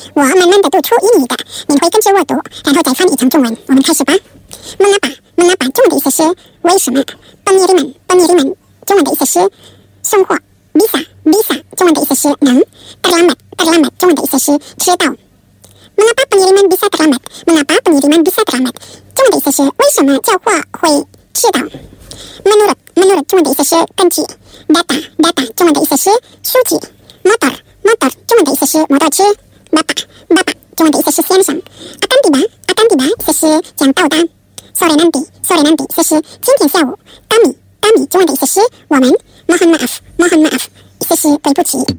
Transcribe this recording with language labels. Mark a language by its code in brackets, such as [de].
[zh] 我慢慢的读出英语的，你会跟着我读，然后再翻译成中文。我们开始吧。 [id] Mengapa， Mengapa [zh] 中文的意思是为什么。 [id] Pengiriman， Pengiriman [zh] 中文的意思是送货。 [id] Bisa， Bisa [zh] 中文的意思是能。 [id] Terlambat， Terlambat [zh] 中文的意思是迟到。 [id] Mengapa Pengiriman Bisa Terlambat， [zh] Mengapa Pengiriman Bisa Terlambat 中文的意思是为什么缴货会迟到。 [id] Menurut， menurut [zh] 中文的意思是根据。Data， data 中文的意思是数据。 Motor， motor 中文的意思是摩托车。 [id] Bapa， bapa [zh] 中文的意思是先生。 [id] Akan tiba， akan tiba [zh] 则是将到达。 [id] Sore nanti， sore nanti [zh] 则是今天下午。 [id] Kami， kami [zh] 中文的意思是我们。 [id] Mohon maaf， mohon maaf [zh] 则是对不起。